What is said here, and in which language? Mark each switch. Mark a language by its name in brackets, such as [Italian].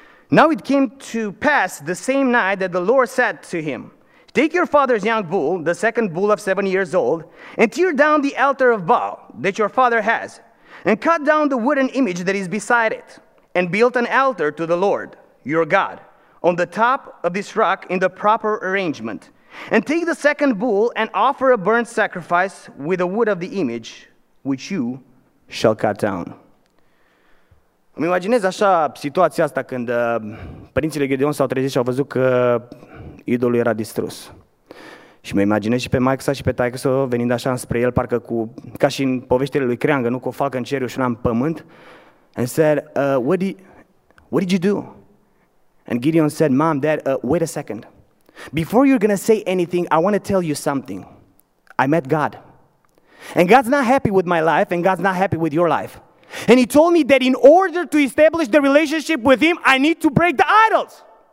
[English] Now it came to pass the same night that the Lord said to him, take your father's young bull, the second bull of 7 years old, and tear down the altar of Baal that your father has, and cut down the wooden image that is beside it, and build an altar to the Lord, your God, on the top of this rock in the proper arrangement. And take the second bull and offer a burnt sacrifice with the wood of the image, which you shall cut down. [Romanian] Îmi imaginez așa situația asta când părinții lui Gedeon s-au trezit și au văzut că idolul era distrus. Și mă imaginez și pe maică-sa și pe taică-sa venind așa înspre el, parcă cu, ca și în poveștile lui Creangă, nu cu o falcă în ceriu și una în pământ. [English] And said, what did you do? And Gideon said, Mom, Dad, wait a second. Before you're going to say anything, I want to tell you something. I met God. And God's not happy with my life, and God's not happy with your life. And he told me that in order to establish the relationship with him, I need to break the idols.